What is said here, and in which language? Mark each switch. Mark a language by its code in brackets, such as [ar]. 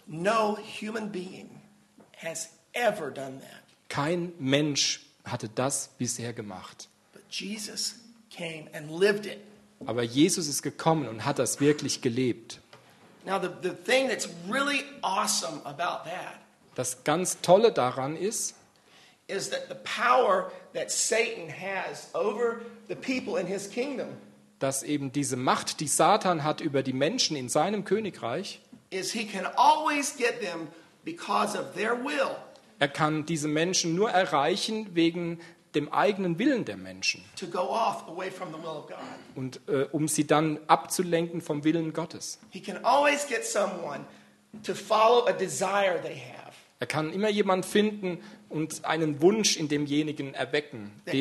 [en] No human being has ever done that. [de] Kein Mensch hatte das bisher gemacht. [en] But Jesus came and lived it. [de] Aber Jesus ist gekommen und hat das wirklich gelebt. [en] Now the thing that's really awesome about that. [de] Das ganz Tolle daran ist, [en] is that the power that Satan has over the people in his kingdom. [de] Dass eben diese Macht, die Satan hat über die Menschen in seinem Königreich, [en] is he can always get them because of their will. [de] Er kann diese Menschen nur erreichen wegen dem eigenen Willen der Menschen. [en] To go off away from the will of God. [de] Und um sie dann abzulenken vom Willen Gottes. [en] He can always get someone to follow a desire they have. [de] Er kann immer jemanden finden und einen Wunsch in demjenigen erwecken.